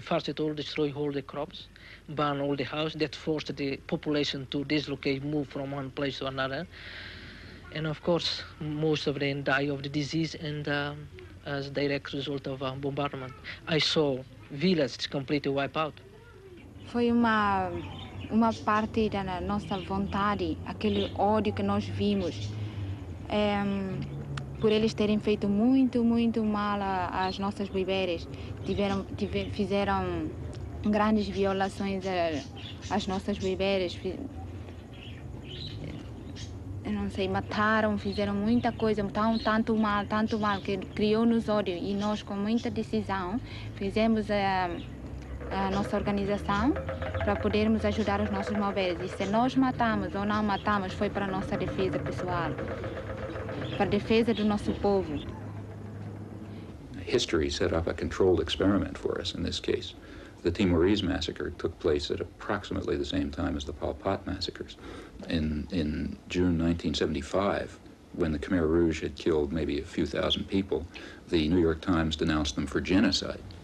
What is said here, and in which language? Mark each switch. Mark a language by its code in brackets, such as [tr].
[en] First it all destroyed all the crops, burned all the houses. That forced the population to dislocate, move from one place to another. And of course, most of them died of the disease and as a direct result of bombardment. I saw villages completely wiped out. [pt] Foi uma parte da nossa vontade, aquele ódio que nós vimos. Por eles terem feito muito, muito mal às nossas mulheres, fizeram grandes violações às nossas mulheres. Eu não sei, mataram, fizeram muita coisa, tanto mal, que criou-nos ódio. E nós, com muita decisão, fizemos a nossa organização para podermos ajudar os nossos malveres. E se nós matamos ou não matamos, foi para a nossa defesa pessoal, para a defesa do nosso povo. [en] History set up a controlled experiment for us in this case. The Timorese massacre took place at approximately the same time as the Pol Pot massacres. In June 1975, when the Khmer Rouge had killed maybe a few thousand people, the New York Times denounced them for genocide.